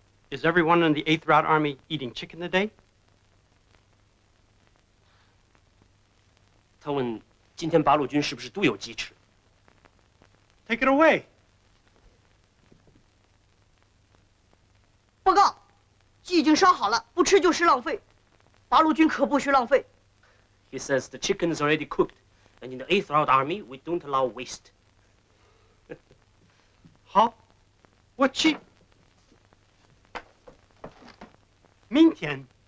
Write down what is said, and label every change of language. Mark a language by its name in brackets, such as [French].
[English] Is everyone in the 8th Route Army eating chicken today? [Chinese] 他问：“今天八路军是不是都有鸡翅 [English] ？”Take it away。 [Chinese] 报告，鸡已经烧好了，不吃就是浪费。八路军可不许浪费。 [English] He says the chicken is already cooked, and in the 8th Route Army, we don't allow waste. [Chinese] 好，我去。明天。